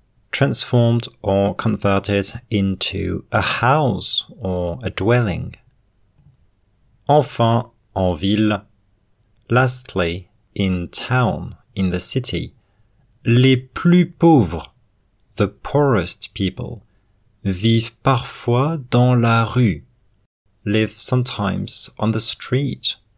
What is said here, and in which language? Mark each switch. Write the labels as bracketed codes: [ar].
[en] transformed or converted into a house or a dwelling. [fr] Enfin, en ville, [en] lastly, in town, in the city, [fr] les plus pauvres, [en] the poorest people, [fr] vivent parfois dans la rue, [en] live sometimes on the street,